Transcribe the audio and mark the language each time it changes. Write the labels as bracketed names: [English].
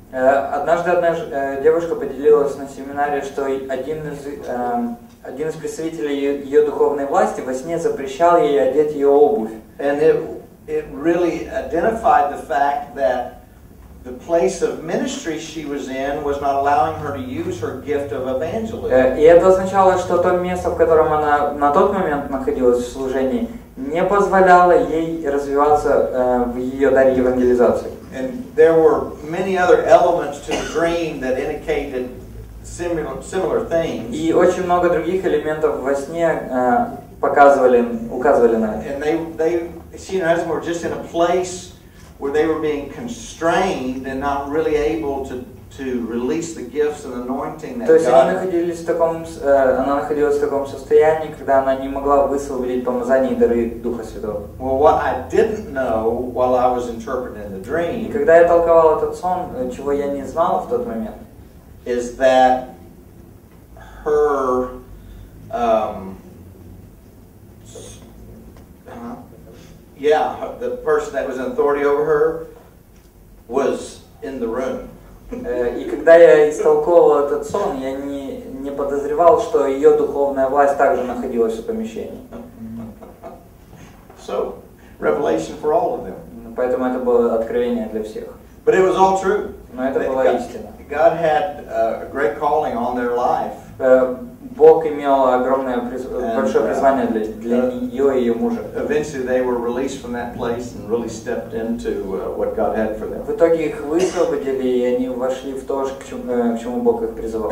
[Russian] Однажды одна девушка поделилась на семинаре, что один из представителей ее духовной власти во сне запрещал ей одеть ее обувь. [English] And it really identified the fact that the place of ministry she was in was not allowing her to use her gift of evangelism. [Russian] И это означало, что то место, в котором она на тот момент находилась в служении, не позволяло ей развиваться в ее даре евангелизации. [English] And there were many other elements to the dream that indicated similar things. [Russian] И очень много других элементов во сне показывали, указывали на это. [English] And she and her husband were just in a place where they were being constrained and not really able to release the gifts and anointing that [Russian] God. То есть она находилась в таком состоянии, когда она не могла высвободить помазание и дары Духа Святого. [English] Well, what I didn't know while I was interpreting the dream. [Russian] И когда я толковал этот сон, чего я не знал в тот момент, [English] is that her the person that was in authority over her was in the room. [Russian] И когда я истолковывал этот сон, я не подозревал, что ее духовная власть также находилась в помещении. [English] So, revelation for all of them. [Russian] Поэтому это было откровение для всех. [English] But it was all true. [Russian] Но это была истина. [English] God had a great calling on their life. [Russian] Бог имел огромное большое призвание для нее и ее мужа. [English] Eventually they were released from that place and really stepped into what God had for them. [Russian] В итоге их высвободили, и они вошли в то, к чему Бог их призывал.